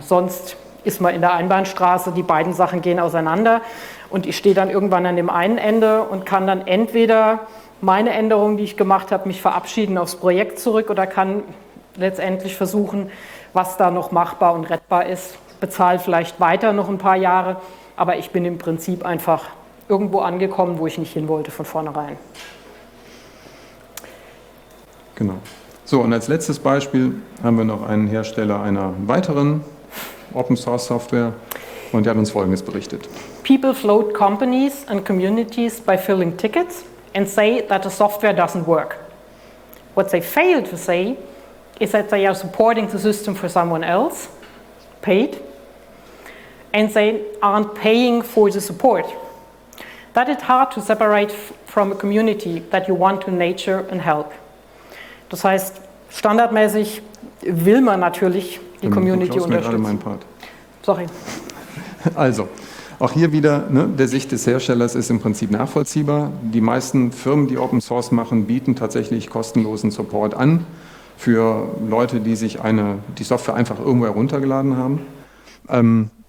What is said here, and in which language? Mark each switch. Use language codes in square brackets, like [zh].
[de] Sonst ist man in der Einbahnstraße, die beiden Sachen gehen auseinander und ich stehe dann irgendwann an dem einen Ende und kann dann entweder meine Änderungen, die ich gemacht habe, mich verabschieden aufs Projekt zurück oder kann letztendlich versuchen, was da noch machbar und rettbar ist, bezahle vielleicht weiter noch ein paar Jahre, aber ich bin im Prinzip einfach irgendwo angekommen, wo ich nicht hin wollte von vornherein. Genau. So, und als letztes Beispiel haben wir noch einen Hersteller einer weiteren Open-Source-Software und der hat uns Folgendes berichtet. [en] People float companies and communities by filling tickets and say that the software doesn't work. What they fail to say is that they are supporting the system for someone else, paid, and they aren't paying for the support. That is hard to separate from a community that you want to nurture and help. [de] Das heißt, standardmäßig will man natürlich die Community unterstützen. [en] Sorry. [de] Also, auch hier wieder, ne, der Sicht des Herstellers ist im Prinzip nachvollziehbar. Die meisten Firmen, die Open Source machen, bieten tatsächlich kostenlosen Support an für Leute, die sich die Software einfach irgendwo heruntergeladen haben.